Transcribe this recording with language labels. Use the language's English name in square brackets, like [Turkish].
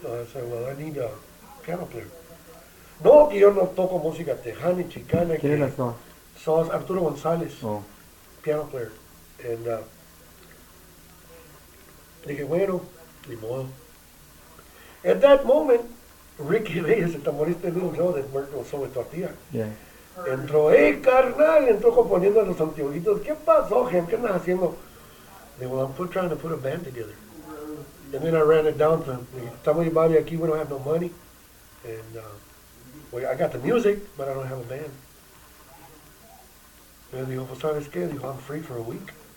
[English] I said, well, I need a piano player. [Spanish] No, que yo no toco música tejana, chicana. ¿Quién era Sauce? Sauce, Arturo González, oh. [English] Piano player. And... [Spanish] dije, bueno, ni modo. [English] At that moment, Ricky Reyes, [Spanish] el tamborista de Little Joe, [English] that worked with Sobe Tortilla, yeah. [Spanish] Entró, hey, carnal, entró componiendo a los antiguitos. ¿Qué pasó, Jim? ¿Qué andas haciendo? [English] Dije, well, I'm trying to put a band together. And then I ran it down to him. [Spanish] Estamos llevando aquí, [English] we don't have no money. And well, I got the music, but I don't have a band. [Spanish] Y él dijo, pues, ¿sabes qué? Dijo, [English] I'm free for a week.